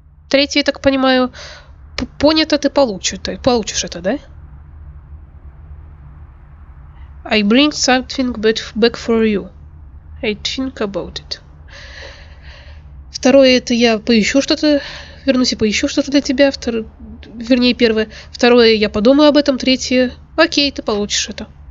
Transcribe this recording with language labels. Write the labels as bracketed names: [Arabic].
[Russian] Третий, я так понимаю, понято, ты получишь это, да? [English] I bring something back for you. I think about it. [Russian] Второе, это я поищу что-то, вернусь и поищу что-то для тебя. Первое. Второе, я подумаю об этом. Третье, окей, ты получишь это.